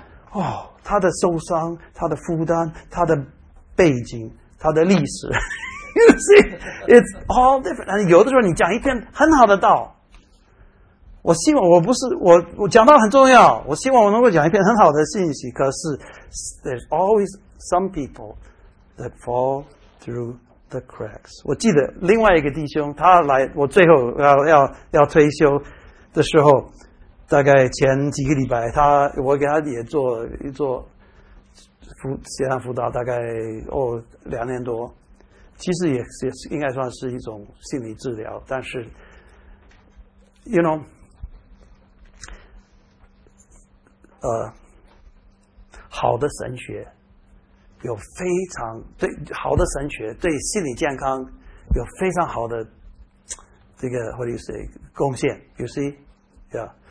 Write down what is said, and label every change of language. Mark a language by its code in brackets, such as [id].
[zh] 哦，他的受伤，他的负担，他的背景，他的历史， [en] You see, it's all different. [zh] And 有的时候你讲一篇很好的道，我希望我讲道很重要，我希望我能够讲一篇很好的信息。可是 [en] ，there's always some people that fall through the cracks. [zh] 我记得另外一个弟兄，他来我最后要退休的时候。大概前几个礼拜他我给他也做一做线上辅导大概两年多。其实也应该算是一种心理治疗，但是 , [en] you know, [zh] 好的神学有非常对好的神学对心理健康有非常好的这个 [en] what do you say, [zh] 贡献 , [en] you see, yeah.